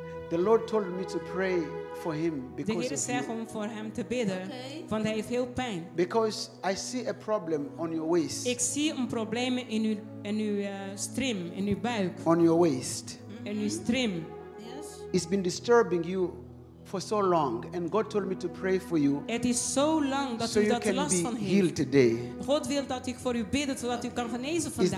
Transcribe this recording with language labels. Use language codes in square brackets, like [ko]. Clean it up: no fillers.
[en] The Lord told me to pray for him because [nl] De Heer zegt om voor hem te bidden, okay. Want hij heeft heel pijn. [en] Because I see a problem on your waist. [nl] Ik zie een probleem in uw stream, in uw buik. [en] On your waist. [nl] Mm-hmm. In uw stream. [en] Yes. It's been disturbing you for so long, and God told me to pray for you. [nl] Het is zo lang dat [en] so [nl] u dat last van heeft. [en] So you can be healed today. [nl] God wil dat ik voor u bidden zodat u kan genezen vandaag.